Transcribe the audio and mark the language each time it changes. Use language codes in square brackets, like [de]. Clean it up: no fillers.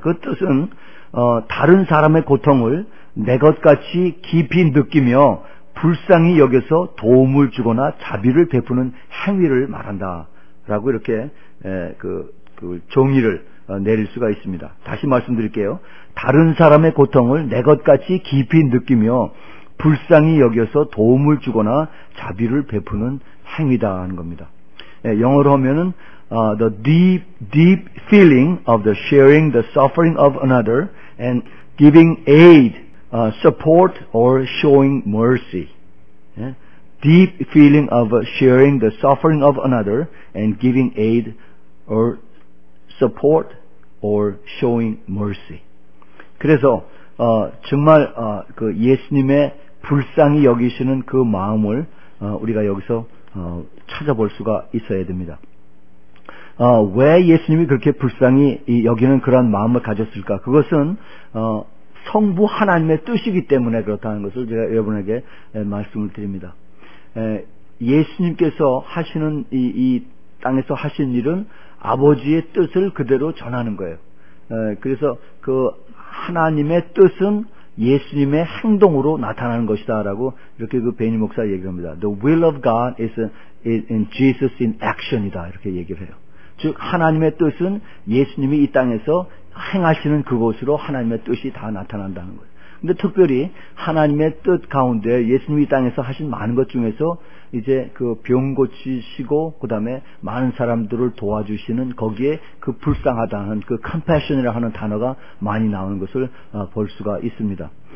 [ko] 그 뜻은 다른 사람의 고통을 내 것같이 깊이 느끼며 불쌍히 여겨서 도움을 주거나 자비를 베푸는 행위를 말한다 라고 이렇게 그 정의를 내릴 수가 있습니다. 다시 말씀드릴게요. 다른 사람의 고통을 내 것같이 깊이 느끼며 불쌍히 여겨서 도움을 주거나 자비를 베푸는 행위다 하는 겁니다. 영어로 하면은 [en] the deep feeling of the sharing the suffering of another and giving aid, support or showing mercy. deep feeling of sharing the suffering of another and giving aid or support or showing mercy. [ko] 그래서 정말 그 예수님의 불쌍히 여기시는 그 마음을 우리가 여기서 찾아볼 수가 있어야 됩니다. 왜 예수님이 그렇게 불쌍히 여기는 그런 마음을 가졌을까? 그것은 성부 하나님의 뜻이기 때문에 그렇다는 것을 제가 여러분에게 말씀을 드립니다. 예수님께서 하시는 이 땅에서 하신 일은 아버지의 뜻을 그대로 전하는 거예요. 그래서 그 하나님의 뜻은 예수님의 행동으로 나타나는 것이다 라고 이렇게 그 베니 목사 얘기합니다. [en] The will of God is in Jesus in action [ko] 이다 이렇게 얘기를 해요. 즉 하나님의 뜻은 예수님이 이 땅에서 행하시는 그곳으로 하나님의 뜻이 다 나타난다는 거예요. 근데 특별히 하나님의 뜻 가운데 예수님이 이 땅에서 하신 많은 것 중에서 이제 그 병 고치시고 그 다음에 많은 사람들을 도와주시는 거기에 그 불쌍하다는 그 compassion이라고 하는 단어가 많이 나오는 것을 볼 수가 있습니다.